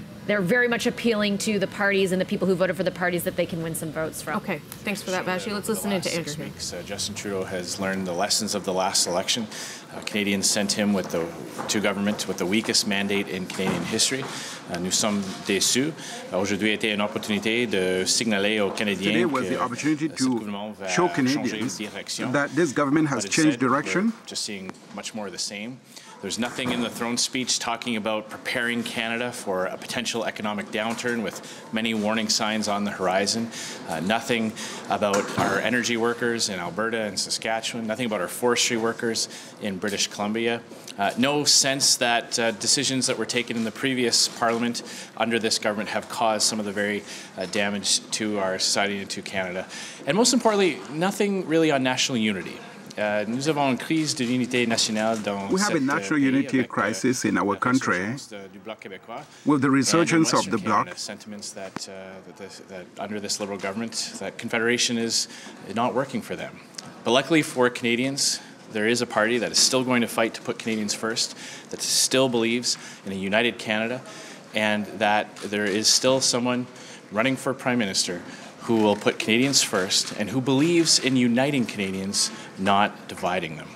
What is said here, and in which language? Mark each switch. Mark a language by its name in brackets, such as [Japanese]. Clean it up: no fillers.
[English] they're very much appealing to the parties and the people who voted for the parties that they can win some votes from. Okay, thanks for that, Vashi. Let's listen in to Andrew. Justin Trudeau has learned the lessons of the last election. Canadians sent him with the two governments with the weakest mandate in Canadian history. [French] Nous sommes déçus. Aujourd'hui était une opportunité de signaler aux Canadiens. [English] Today was the opportunity to show Canadians that this government has changed direction. We're just seeing much more of the same. There's nothing in the throne speech talking about preparing Canada for a potential economic downturn with many warning signs on the horizon. Nothing about our energy workers in Alberta and Saskatchewan. Nothing about our forestry workers in British Columbia. No sense that decisions that were taken in the previous parliament under this government have caused some of the very damage to our society and to Canada. And most importantly, nothing really on national unity. [French] Nous avons une crise de l'unité nationale dans [English] we have a national unity crisis in our country with the resurgence of the Bloc. Sentiments that, that under this Liberal government, that Confederation is not working for them. But luckily for Canadians, there is a party that is still going to fight to put Canadians first, that still believes in a united Canada, and that there is still someone running for Prime Minister who will put Canadians first and who believes in uniting Canadians, not dividing them.